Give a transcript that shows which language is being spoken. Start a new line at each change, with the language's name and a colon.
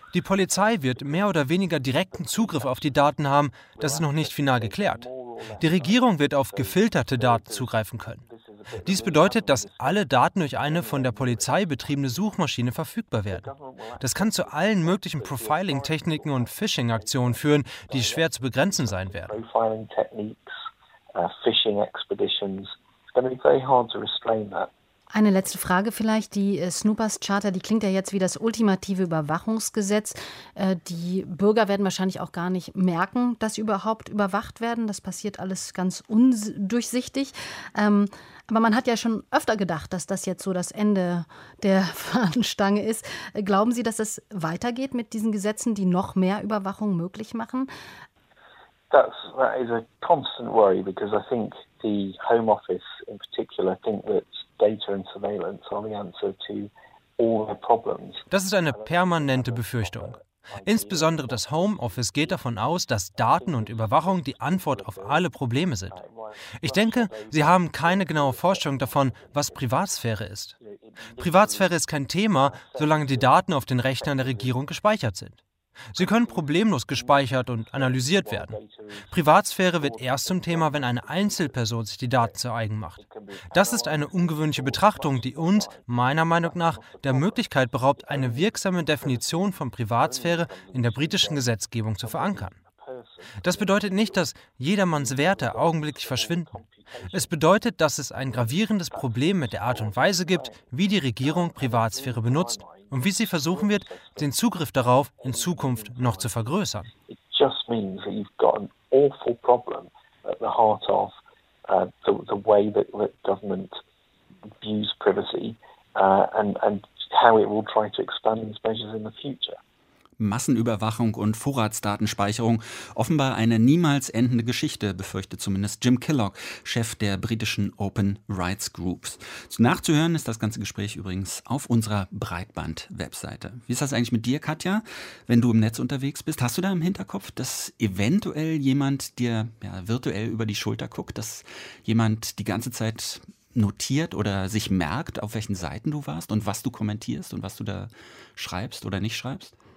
German: Die Polizei wird mehr oder weniger direkten Zugriff auf die Daten haben, das ist noch nicht final geklärt. Die Regierung wird auf gefilterte Daten zugreifen können. Dies bedeutet, dass alle Daten durch eine von der Polizei betriebene Suchmaschine verfügbar werden. Das kann zu allen möglichen Profiling-Techniken und Phishing-Aktionen führen, die schwer zu begrenzen sein werden. Eine letzte Frage vielleicht. Die Snoopers Charter, die klingt ja jetzt wie das ultimative Überwachungsgesetz. Die Bürger werden wahrscheinlich auch gar nicht merken, dass sie überhaupt überwacht werden. Das passiert alles ganz undurchsichtig. Aber man hat ja schon öfter gedacht, dass das jetzt so das Ende der Fahnenstange ist. Glauben Sie, dass es weitergeht mit diesen Gesetzen, die noch mehr Überwachung möglich machen?
English: That is a constant worry, because I think the Home Office in particular think that data and surveillance are the answer to all the problems.
German: Das ist eine permanente Befürchtung. Insbesondere das Home Office geht davon aus, dass Daten und Überwachung die Antwort auf alle Probleme sind. Ich denke, sie haben keine genaue Vorstellung davon, was Privatsphäre ist. Privatsphäre ist kein Thema, solange die Daten auf den Rechnern der Regierung gespeichert sind. Sie können problemlos gespeichert und analysiert werden. Privatsphäre wird erst zum Thema, wenn eine Einzelperson sich die Daten zu eigen macht. Das ist eine ungewöhnliche Betrachtung, die uns, meiner Meinung nach, der Möglichkeit beraubt, eine wirksame Definition von Privatsphäre in der britischen Gesetzgebung zu verankern. Das bedeutet nicht, dass jedermanns Werte augenblicklich verschwinden. Es bedeutet, dass es ein gravierendes Problem mit der Art und Weise gibt, wie die Regierung Privatsphäre benutzt und wie sie versuchen wird, den Zugriff darauf in Zukunft noch zu vergrößern.
English: It just means that you've got an awful problem at the heart of the way that government views privacy and how it will try to expand these measures in the future.
German: Massenüberwachung und Vorratsdatenspeicherung. Offenbar eine niemals endende Geschichte, befürchtet zumindest Jim Killock, Chef der britischen Open Rights Groups. Nachzuhören ist das ganze Gespräch übrigens auf unserer Breitband-Webseite. Wie ist das eigentlich mit dir, Katja, wenn du im Netz unterwegs bist? Hast du da im Hinterkopf, dass eventuell jemand dir virtuell über die Schulter guckt, dass jemand die ganze Zeit notiert oder sich merkt, auf welchen Seiten du warst und was du kommentierst und was du da schreibst oder nicht schreibst?